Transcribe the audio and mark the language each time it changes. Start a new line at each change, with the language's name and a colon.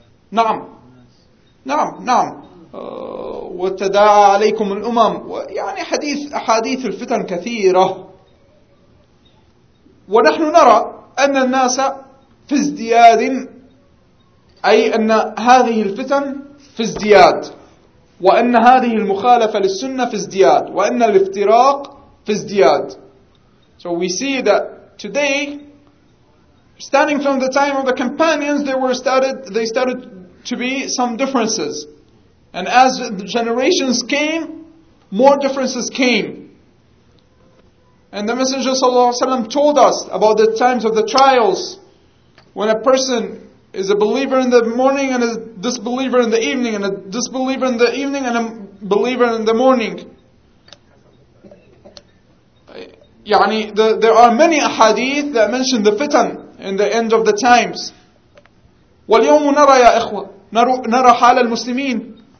Arabic: نعم نعم نعم، وتداعى عليكم الأمم، يعني أحاديث الفتن كثيرة. ونحن نرى أن الناس في ازدياد، أي أن هذه الفتن في ازدياد، وأن هذه المخالفة للسنة في ازدياد، وأن الافتراق في ازدياد.
English: So we see that today, starting from the time of the companions, they started to be some differences. And as the generations came, more differences came. And the Messenger sallallahu alaihi wasallam told us about the times of the trials, when a person is a believer in the morning and a disbeliever in the evening, and a disbeliever in the evening and a believer in the morning.
Arabic: يعني
English: there are many ahadith that mention the fitan in the end of the times.
Arabic: واليوم نرى يا إخوة نرى حال المسلمين.